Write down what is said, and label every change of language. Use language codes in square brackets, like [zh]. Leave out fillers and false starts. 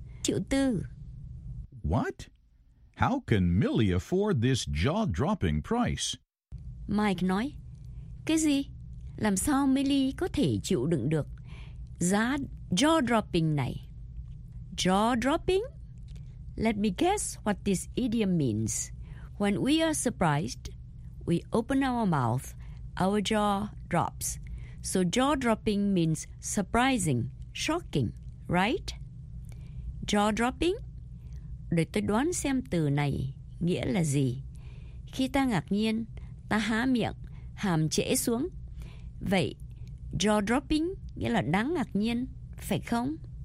[vi] 4 triệu. [en] What? How can Millie afford this jaw-dropping price? [vi] Mike nói, cái gì? Làm sao Millie có thể chịu đựng được giá jaw-dropping này? [en] Jaw-dropping? Let me guess what this idiom means. When we are surprised, we open our mouth, our jaw drops. So jaw-dropping means surprising, shocking, right? Jaw-dropping? [vi] Để tôi đoán xem từ này nghĩa là gì. Khi ta ngạc nhiên, ta há miệng, hàm trễ xuống. Vậy, jaw-dropping nghĩa là đáng ngạc nhiên, phải không?